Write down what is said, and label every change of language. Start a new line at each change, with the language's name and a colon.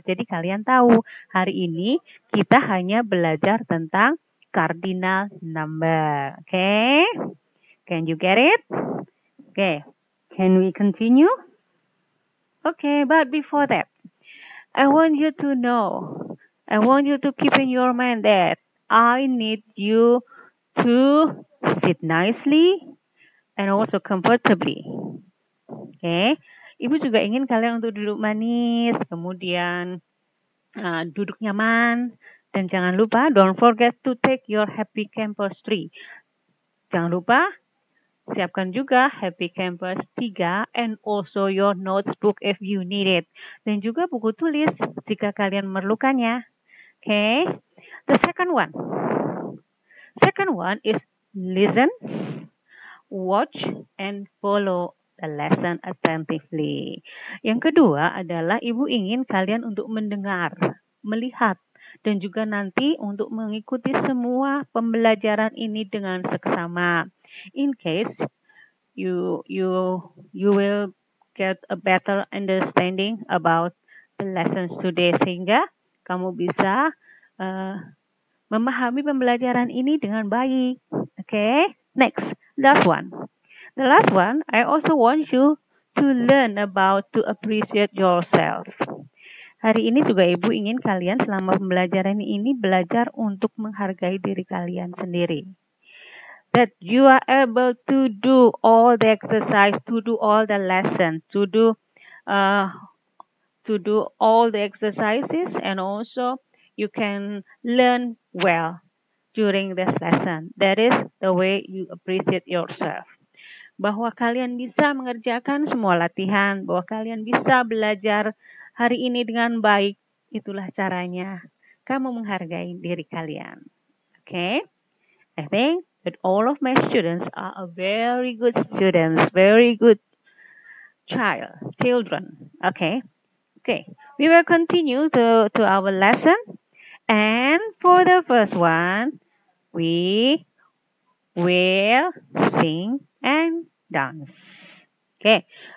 Indonesian: Jadi, kalian tahu hari ini kita hanya belajar tentang cardinal number. Okay?
English: Can you get it? Okay. Can we continue? Okay, but before that, I want you to keep in your mind that I need you to sit nicely and also comfortably. Okay.
Indonesian: Ibu juga ingin kalian untuk duduk manis, kemudian duduk nyaman. Dan jangan lupa,
English: don't forget to take your happy campus 3.
Indonesian: Jangan lupa, siapkan juga
English: happy campus 3 and also your notebook if you need it.
Indonesian: Dan juga buku tulis jika kalian memerlukannya.
English: Okay, the second one. Second one is listen, watch, and follow the lesson attentively.
Indonesian: Yang kedua adalah ibu ingin kalian untuk mendengar, melihat, dan juga nanti untuk mengikuti semua pembelajaran ini dengan seksama.
English: In case you will get a better understanding about the lessons today,
Indonesian: sehingga kamu bisa memahami pembelajaran ini dengan baik.
English: Okay, next, last one. The last one, I also want you to learn about to appreciate yourself.
Indonesian: Hari ini juga ibu ingin kalian selama pembelajaran ini belajar untuk menghargai diri kalian sendiri.
English: That you are able to do all the exercise, to do all the lesson, to do all the exercises, and also you can learn well during this lesson. That is the way you appreciate yourself.
Indonesian: Bahwa kalian bisa mengerjakan semua latihan, bahwa kalian bisa belajar hari ini dengan baik, itulah caranya kamu menghargai diri kalian.
English: Okay? I think that all of my students are a very good students, very good children. Okay? Okay. We will continue to our lesson. And for the first one, we will sing and dance. Okay.